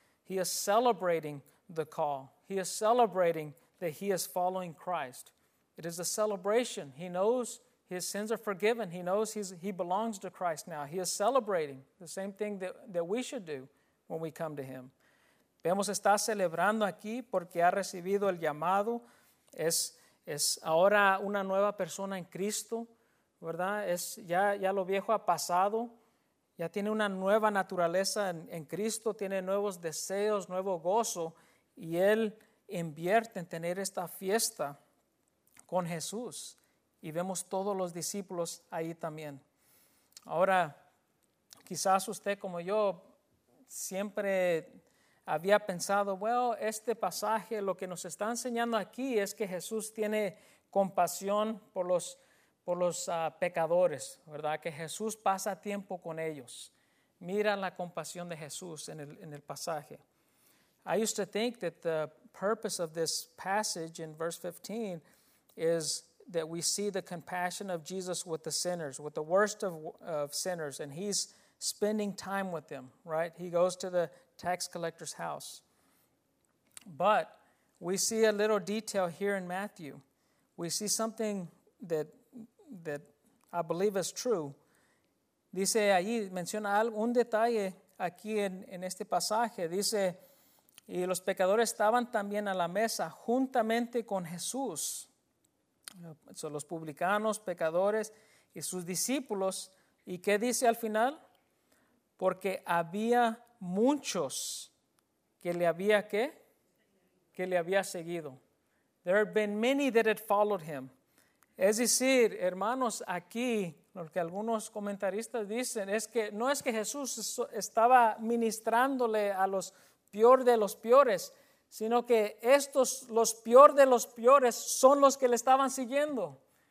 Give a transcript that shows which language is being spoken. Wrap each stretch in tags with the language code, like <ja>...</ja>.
<en>He is celebrating the call. He is celebrating that he is following Christ. It is a celebration. He knows his sins are forgiven. He knows he belongs to Christ now. He is celebrating the same thing that we should do when we come to him.</en> <es>Vemos está celebrando aquí porque ha recibido el llamado. Es ahora una nueva persona en Cristo, ¿verdad? Es ya lo viejo ha pasado. Ya tiene una nueva naturaleza en Cristo, tiene nuevos deseos, nuevo gozo, y él invierte en tener esta fiesta con Jesús. Y vemos todos los discípulos ahí también. Ahora, quizás usted como yo siempre había pensado, bueno, este pasaje lo que nos está enseñando aquí es que Jesús tiene compasión por los pecadores, ¿verdad? Que Jesús pasa tiempo con ellos. Mira la compasión de Jesús en el pasaje.</es> <en>I used to think that the purpose of this passage in verse 15 is that we see the compassion of Jesus with the sinners, with the worst of sinners, and he's spending time with them, right? He goes to the tax collector's house. But we see a little detail here in Matthew. We see something that I believe is true.</en> <es>Dice allí, menciona algún detalle aquí en este pasaje. Dice, y los pecadores estaban también a la mesa juntamente con Jesús. Son los publicanos, pecadores y sus discípulos. ¿Y qué dice al final? Porque había muchos que le había, ¿qué? Que le había seguido.</es> <en>There have been many that had followed him.</en> <es>Es decir, hermanos, aquí lo que algunos comentaristas dicen es que no es que Jesús estaba ministrándole a los peor de los peores, sino que estos, los peor de los peores, son los que le estaban siguiendo.</es>